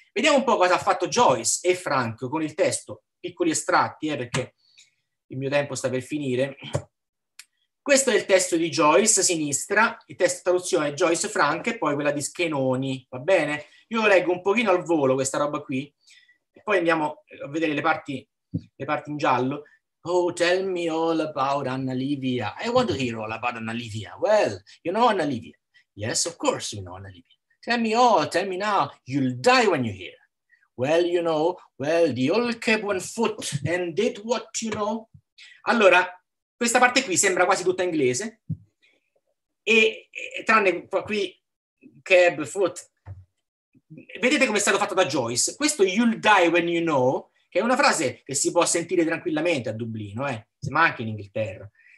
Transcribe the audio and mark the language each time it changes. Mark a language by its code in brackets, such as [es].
[it] Vediamo un po' cosa ha fatto Joyce e Frank con il testo, piccoli estratti, perché il mio tempo sta per finire. Questo è il testo di Joyce, a sinistra, il testo di traduzione è Joyce Frank e poi quella di Schenoni, va bene? Io leggo un pochino al volo questa roba qui, e poi andiamo a vedere le parti in giallo. [en] Oh, tell me all about Anna Livia. I want to hear all about Anna Livia. Well, you know Anna Livia. Yes, of course you know Anna Livia. Tell me all, tell me now. You'll die when you hear. Well, you know, well, the old cap went foot and did what you know. [it] Allora, questa parte qui sembra quasi tutta inglese, e tranne qui, cab, foot. Vedete come è stato fatto da Joyce? Questo [en] you'll die when you know, [it] che è una frase che si può sentire tranquillamente a Dublino, ma anche in Inghilterra.